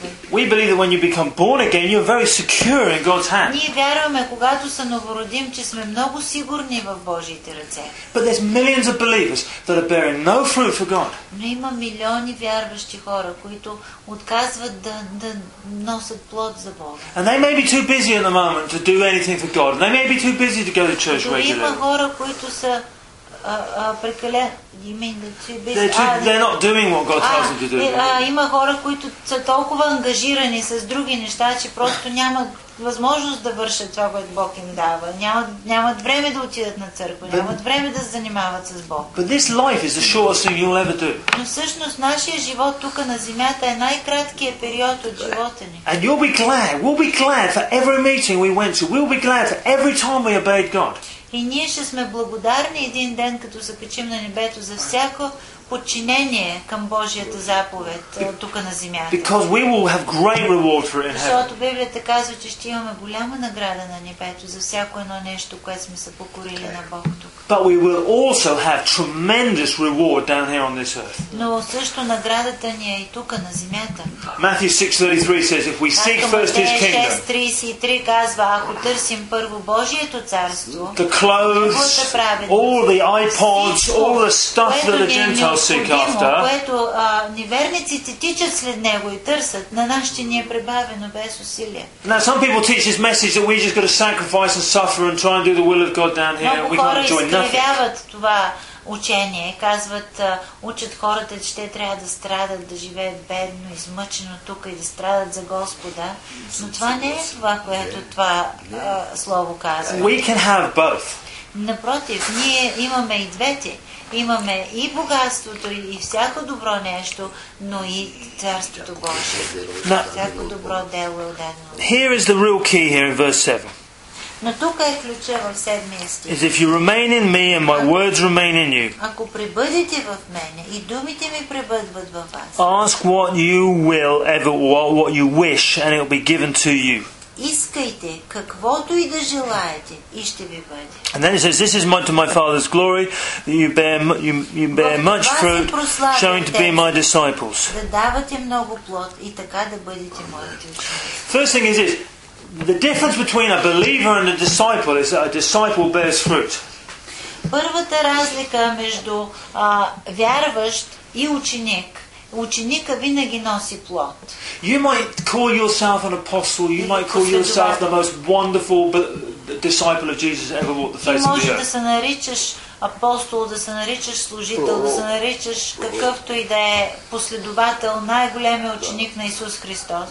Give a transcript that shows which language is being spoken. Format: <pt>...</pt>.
<en>We believe that when you become born again, you're very secure in God's hand.</en> <bg>Ние вярваме, когато се новородим, че сме много сигурни в Божиите ръце.</bg> <en>But there's millions of believers that are bearing no fruit for God.</en> <bg>Но има милиони вярващи хора, които отказват да носят плод за Бога.</bg> <en>And they may be too busy at the moment to do anything for God. They may be too busy to go to church regularly.</en> <bg>Има хора, които са прекалено.</bg> <en>They're not doing what God tells them to do.</en> <bg>Има хора, които са толкова ангажирани с други неща, че просто няма възможност да вършат това, което Бог им дава. Нямат време да отидат на църква, нямат време да се занимават с Бог.</bg> <en>But this life is the shortest thing you'll ever do.</en> <bg>Но всъщност нашия живот тук на земята е най-краткият период от живота ни.</bg> <en>And you'll be glad. We'll be glad for every meeting we went to. We'll be glad for every time we obeyed God.</en> <bg>И ние ще сме благодарни един ден, като се качим на небето, за всяко подчинение към Божията заповед тук на земята.</bg> <en>Because we will have great reward for it in heaven.</en> <bg>Защото Библията казва, че ще имаме голяма награда на небето за всяко едно нещо, което сме се покорили на Бог тук.</bg> <en>But we will also have tremendous reward down here on this earth.</en> <bg>Но също наградата ни е и тук на земята.</bg> <en>Matthew 6:33 says if we seek first his kingdom. 6:33</en> <bg>казва, ако търсим първо Божието царство.</bg> <en>The clothes, all the iPods, all the stuff that the Gentiles seek after.</en> <bg>Което неверниците тичат след него и търсят, на нашите ни е прибавено без усилия.</bg> <en>Now some people teach this message that we just got to sacrifice and suffer and try and do the will of God down here. We can't enjoy</en> <bg>изкривяват това учение, казват, учат хората, че те трябва да страдат, да живеят бедно, измъчено тук и да страдат за Господа. Но това не е това, което това слово казва.</bg> <en>We can have both.</en> <bg>Напротив, ние имаме и двете. Имаме и богатството, и всяко добро нещо, но и Царството Божие. Всяко добро дело е отдадено.</bg> <en>Here is the real key here in verse 7.</en> <bg>Но тук е ключа в седмия стих.</bg> <en>Is if you remain in me and my words remain in you.</en> <bg>Ако пребъдете в мене и думите ми пребъдват във вас.</bg> <en>Ask what you will ever or what you wish and it will be given to you.</en> <bg>Искайте каквото и да желаете и ще ви бъде.</bg> <en>And then he says, this is much to my Father's glory that you bear much fruit, showing to be my disciples.</en> <bg>Да давате много плод и така да бъдете мои ученици.</bg> <en>First thing is this. The difference between a believer and a disciple is that a disciple bears fruit.</en> <bg>Първата разлика между вярващ и ученик. Ученика винаги носи плод.</bg> <en>You might call yourself an apostle, you might call yourself the most wonderful disciple of Jesus ever walked the face of the earth.</en> <bg>Можеш да се наричаш апостол, да се наричаш служител, да се наричаш какъвто и да е последовател, най-големият ученик на Исус Христос.</bg>